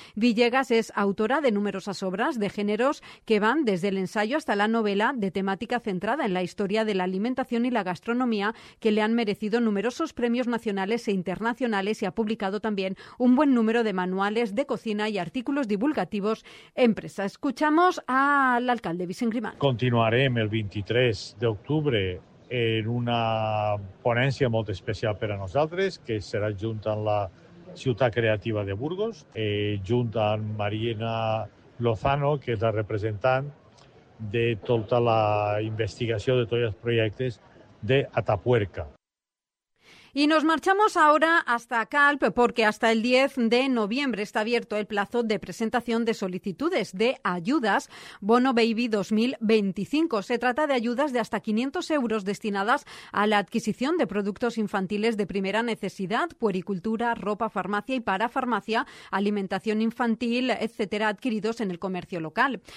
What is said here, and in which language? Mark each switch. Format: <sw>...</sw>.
<es>Villegas es autora de numerosas obras de géneros que van desde el ensayo hasta la novela, de temática centrada en la historia de la alimentación y la gastronomía, que le han merecido numerosos premios nacionales e internacionales, y ha publicado también un buen número de manuales de cocina y artículos divulgativos empresa. Escuchamos al alcalde Vicent Grimal.</es> <ca>Continuarem el 23 d'octubre en una ponència molt especial per a nosaltres, que serà junt amb la Ciutat Creativa de Burgos, junt amb Marina Lozano, que és la representant de tota la investigació de tots els projectes de Atapuerca.</ca> <es>Y nos marchamos ahora hasta Calp, porque hasta el 10 de noviembre está abierto el plazo de presentación de solicitudes de ayudas Bono Baby 2025. Se trata de ayudas de hasta 500 euros destinadas a la adquisición de productos infantiles de primera necesidad, puericultura, ropa, farmacia y parafarmacia, alimentación infantil, etcétera, adquiridos en el comercio local.</es>